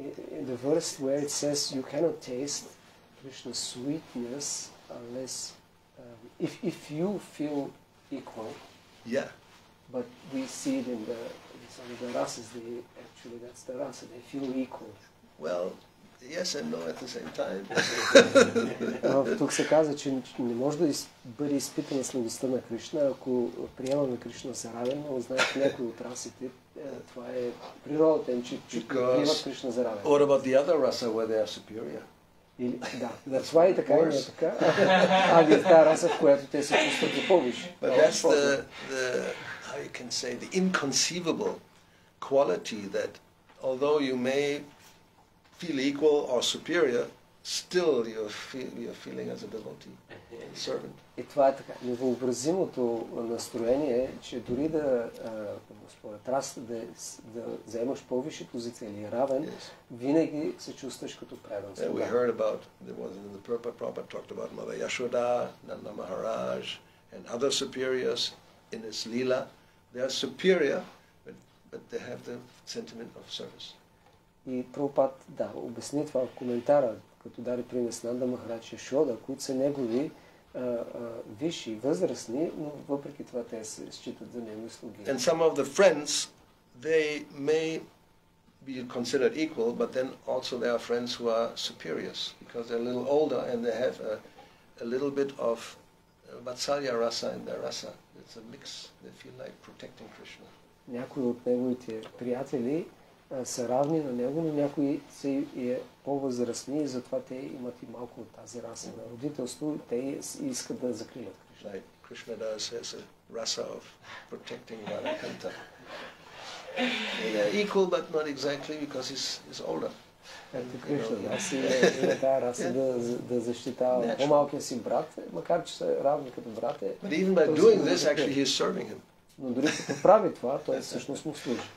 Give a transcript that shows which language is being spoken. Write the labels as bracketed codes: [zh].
[en] In the verse where it says you cannot taste Krishna's sweetness unless if you feel equal. Yeah. But we see it in the some of the rasas, actually that's the rasa, they feel equal. Well, yes and no at the same time. [bg] Тук се каза, че не може да бъде изпитана сладостта на Кришна, ако приемаме Кришна за равен, но знаеш някои от расите. Това е природата, че приемат Кришна за равен. [en] What about the other rasa where they are superior? [bg] Или, да, [en] that's why [bg] и така, не е така. А ли е тази раса, в която те се чувстват повече? [en] But that's the, how you can say, the inconceivable quality that although you may feel equal or superior, still you're feeling as a devotee, a servant. [bg] И това е така. Невъобразимото настроение е, че дори да, според раса, да заемаш повише позиция или равен, винаги се чувстваш като предан. [en] Yeah, we heard about, there was in the Prabhupada talked about Mother Yashoda, Nanda Maharaj, and other superiors in his Leela. They are superior, but they have the sentiment of service. [bg] И Прабхупад, да, обясни това в коментара, като даде пример с Нанда Махарадж и Шода, които са негови висши, възрастни, но въпреки това те се считат за негови слуги. [en] And some of the friends, they may be considered equal, but then also there are friends who are superiors, because they're a little older and they have a little bit of Vatsalya rasa in their rasa. It's a mix. They feel like protecting Krishna. [bg] Някои от неговите приятели са равни на него, но някои са и по-възрастни и затова те имат и малко от тази раса на родителство. Те искат да закрият Кришна. [en] Like Krishna does has a rasa of protecting Varakanta. They're equal, but not exactly, because he's older. [bg] Ето Кришна, да, си има тази раса да защитава по-малкият си брат, макар че са равни като брате. [en] But even by doing this, actually he's serving him. [bg] Но дори като прави това, той всъщност му служи.